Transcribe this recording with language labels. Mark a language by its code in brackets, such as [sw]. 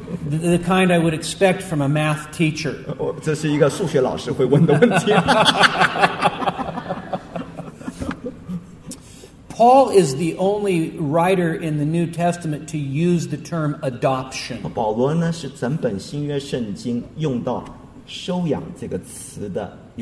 [en] The kind I would expect from a math teacher. [zh] 这是一个数学老师会问的问题。 [en] Paul is the only writer in the New Testament to use the term adoption. [zh] 保罗呢是整本新约圣经用到收养这个词的。